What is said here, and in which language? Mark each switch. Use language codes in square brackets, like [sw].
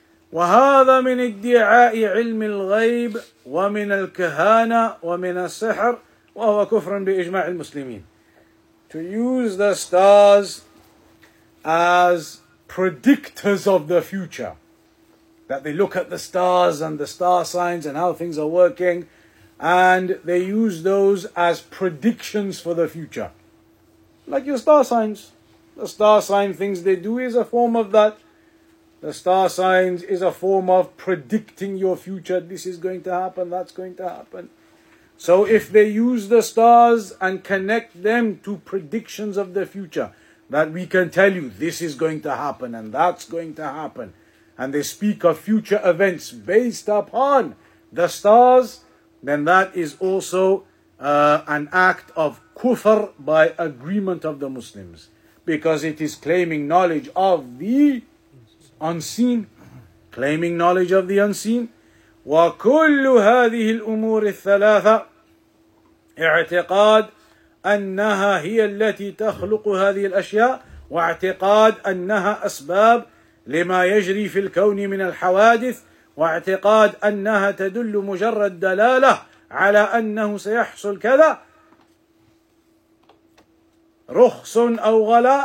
[ar] وهذا من ادعاء علم الغيب ومن الكهانة ومن السحر وهو كفر بإجماع المسلمين. [en] To use the stars as predictors of the future. That they look at the stars and the star signs and how things are working, and they use those as predictions for the future. Like your star signs. The star sign things they do is a form of that. The star signs is a form of predicting your future. This is going to happen, that's going to happen. So if they use the stars and connect them to predictions of the future, that we can tell you this is going to happen and that's going to happen, and they speak of future events based upon the stars, then that is also an act of kufr by agreement of the Muslims. Because it is claiming knowledge of the unseen, claiming knowledge of the unseen. [ar] وَكُلُّ هَذِهِ الْأُمُورِ الثَّلَاثَةِ اعتقاد أنها هي التي تخلق هذه الأشياء واعتقاد أنها أسباب لما يجري في الكون من الحوادث واعتقاد أنها تدل مجرد دلالة على أنه سيحصل كذا رخص أو غلاء.